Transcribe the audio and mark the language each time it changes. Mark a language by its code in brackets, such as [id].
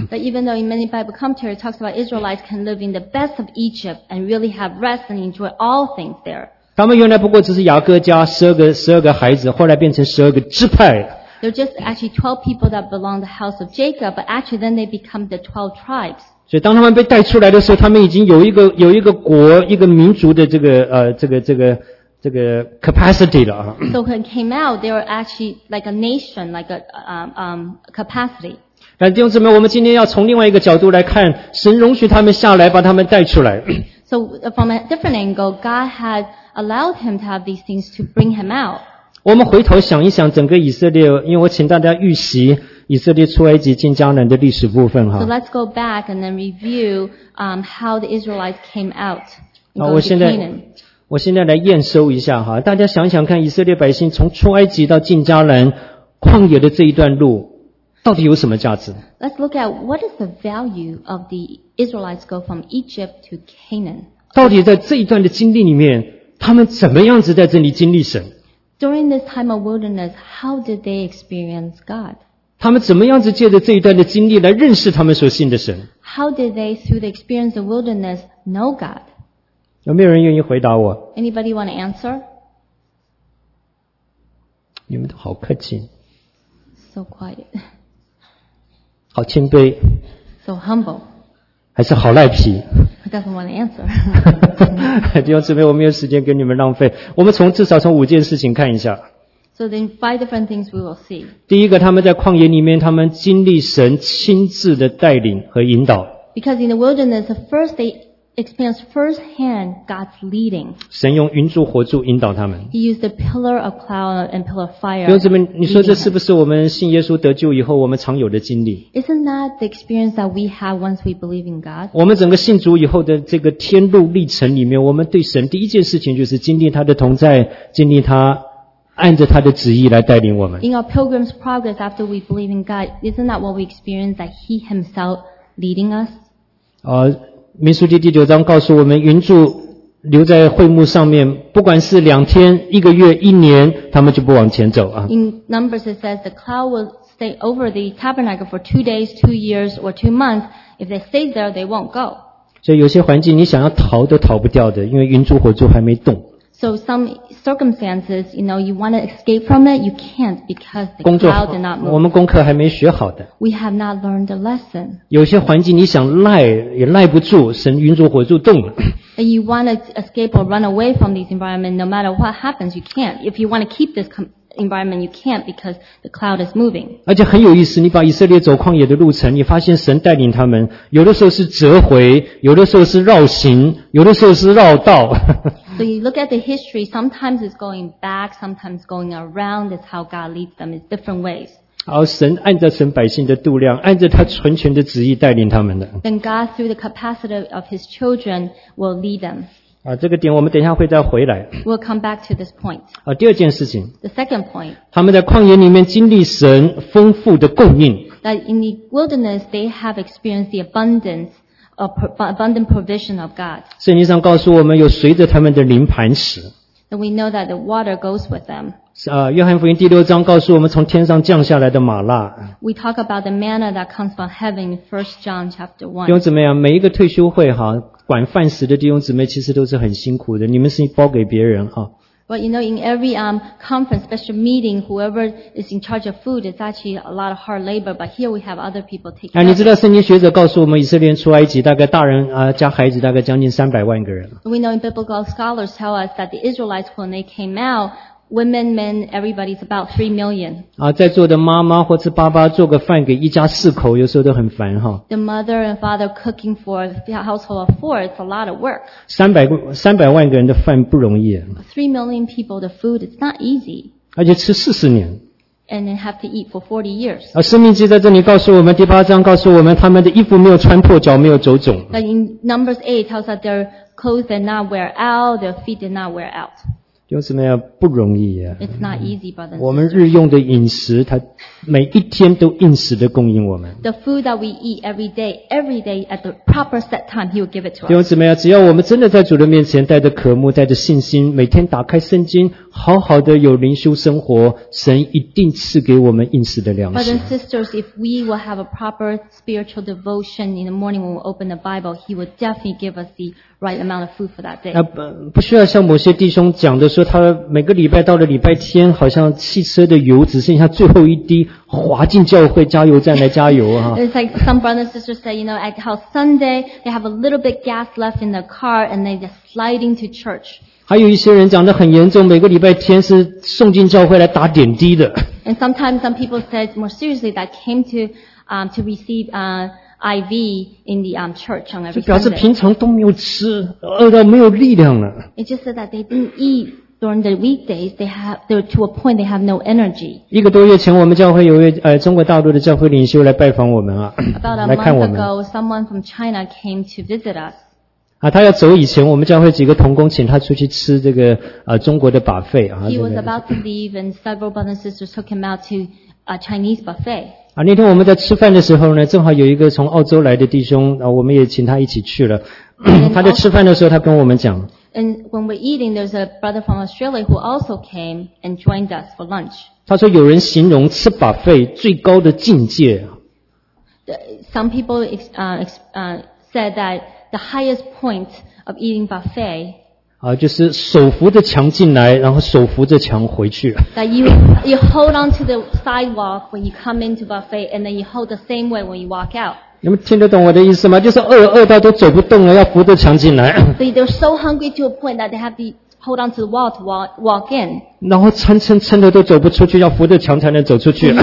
[en] But even though in many Bible commentaries talks about Israelites can live in the best of Egypt and really have rest and enjoy all things there. [zh] 他们原来不过只是雅各家十二个孩子，后来变成十二个支派。 [en] They're just actually 12 people that belong to the house of Jacob, but actually then they become the 12 tribes. [zh] 所以当他们被带出来的时候，他们已经有一个国，一个民族的这个 capacity 了。 [en] So when it came out, they were actually like a nation, like a capacity. [zh] 弟兄姊妹，我们今天要从另外一个角度来看，神容许他们下来，把他们带出来。 [en] So from a different angle, God had allowed him to have these things to bring him out. [zh] 我们回头想一想整个以色列，因为我请大家预习以色列出埃及进迦南的历史部分哈。 [en] So let's go back and then review how the Israelites came out. [zh] 好，我现在来验收一下哈，大家想想看，以色列百姓从出埃及到进迦南旷野的这一段路，到底有什么价值 [en] ？Let's look at what is the value of the Israelites go from Egypt to Canaan. [zh] 到底在这一段的经历里面，他们怎么样子在这里经历神？ [en] During this time of wilderness, how did they experience God? [zh] 他们怎么样子借着这一段的经历来认识他们所信的神 [en] ？How did they, through the experience of wilderness, know God? [zh] 有没有人愿意回答我 [en] ？Anybody want to answer? [zh] 你们都好客气。 [en] So quiet. [zh] 好谦卑。 [en] So humble. [zh] 还是好赖皮。 [en] Doesn't want to answer. [zh] 弟兄姊妹，我没有时间跟你们浪费。我们至少从五件事情看一下。 [en] So then five different things we will see. [zh] 第一个，他们在旷野里面，他们经历神亲自的带领和引导。 [en] Because in the wilderness, first they experienced firsthand God's leading. [zh] 神用云柱火柱引导他们。 [en] He used a pillar of cloud and pillar of fire. [zh] 弟兄姊妹，你说这是不是我们信耶稣得救以后我们常有的经历？ [en] Isn't that the experience that we have once we believe in God? [zh] 我们整个信主以后的这个天路历程里面，我们对神第一件事情就是经历他的同在，经历他按着他的旨意来带领我们。 [en] In our pilgrim's progress after we believe in God, isn't that what we experience, that He Himself leading us? [zh] 民数记第九章告诉我们，云柱留在会幕上面，不管是两天、一个月、一年，他们就不往前走啊。 [en] In Numbers it says the cloud will stay over the tabernacle for 2 days, 2 years, or 2 months. If they stay there, they won't go. [zh] 所以有些环境你想要逃都逃不掉的，因为云柱火柱还没动。 [en] So some circumstances, you know, you want to escape from it, you can't because the cloud did not move. [zh] 我们功课还没学好的。 [en] We have not learned the lesson. [zh] 有些环境你想赖也赖不住，神云柱火柱动了。 [en] You want to escape or run away from this environment, no matter what happens, you can't. If you want to keep this environment, you can't because the cloud is moving. [zh] 而且很有意思，你把以色列走旷野的路程，你发现神带领他们，有的时候是折回，有的时候是绕行，有的时候是绕道。 [en] So you look at the history, sometimes it's going back, sometimes going around, that's how God leads them, it's different ways. [zh] 好，神按着神百姓的度量，按着他纯全的旨意带领他们的。 [en] Then God, through the capacity of His children, will lead them. [zh] 这个点我们等一下会再回来。 [en] We'll come back to this point. [zh] 第二件事情。 [en] The second point. [zh] 他们在旷野里面经历神丰富的供应。 [en] That in the wilderness, they have experienced the abundance. Abundant provision of God. [zh] 圣经上告诉我们有随着他们的灵磐石。 [en] And we know that the water goes with them. [zh] 约翰福音第六章告诉我们从天上降下来的玛纳。 [en] We talk about the manna that comes from heaven in 1 John chapter 1. [zh] 弟兄姊妹啊，每一个退休会哈，管饭食的弟兄姊妹其实都是很辛苦的，你们是包给别人哈。 [en] But you know, in every conference, special meeting, whoever is in charge of food is actually a lot of hard labor. But here we have other people taking. [zh] 你知道圣经学者告诉我们，以色列人出埃及大概大人加孩子大概将近300万个人。 [en] We know in biblical scholars tell us that the Israelites when they came out, women, men, everybody's about 3 million. [zh] 在座的妈妈或是爸爸做个饭给一家四口，有时候都很烦哈。 [en] The mother and father cooking for a household of four, it's a lot of work. [zh] 300万个人的饭不容易。 [en] 3 million people, the food, it's not easy. [zh] 而且吃40年。 [en] And they have to eat for 40 years. [zh] 生命记在这里告诉我们，第八章告诉我们，他们的衣服没有穿破，脚没有走肿。 [en] But in Numbers 8, it tells that their clothes did not wear out, their feet did not wear out. [zh] 有什么样不容易啊 [en] It's not easy, brothers. [zh] 我们日用的饮食它每一天都应时的供应我们。 [en] The food that we eat every day at the proper set time, He will give it to us. [zh] 有什么样只要我们真的在主的面前带着渴慕带着信心每天打开圣经好好的有灵修生活神一定赐给我们应时的粮食。 [en] Brothers and sisters, if we will have a proper spiritual devotion in the morning when we open the Bible, He will definitely give us the right amount of food for that day. [zh] 不需要像某些弟兄讲的说他每个礼拜到了礼拜天好像汽车的油只剩下最后一滴滑进教会加油站来加油啊。 [en] It's like some brothers and sisters say, you know, at how Sunday, they have a little bit gas left in the car and they just slide into church. [zh] 还有一些人讲得很严重每个礼拜天是送进教会来打点滴的。 [en] And sometimes some people said more seriously that came to receive, IV in the church on every Sunday. [zh] 就表示平常都没有吃，饿到没有力量了。 [en] It just said that they didn't eat during the weekdays. They're to a point they have no energy. [zh] 一个多月前，我们教会有位中国大陆的教会领袖来拜访我们啊，来看我们。 [en] About a month ago, someone from China came to visit us. [zh] 啊，他要走以前，我们教会几个同工请他出去吃这个中国的buffet啊。 [en] He was about to leave, and several brothers and sisters took him out to a Chinese buffet. [zh] 啊，那天我们在吃饭的时候呢，正好有一个从澳洲来的弟兄啊，我们也请他一起去了。他在吃饭的时候，他跟我们讲。 [en] And when we're eating, there's a brother from Australia who also came and joined us for lunch. [zh] 他说有人形容吃buffet最高的境界。 [en] Some people said that the highest point of eating buffet. [zh] 啊，就是手扶着墙进来，然后手扶着墙回去。 [en] That you hold onto the sidewalk when you come into buffet, and then you hold the same way when you walk out. [zh] 你们听得懂我的意思吗？就是饿到都走不动了，要扶着墙进来。所以 [en] they're so hungry to a point that they have to hold on to the wall to walk in. [zh] 然后撑的都走不出去，要扶着墙才能走出去。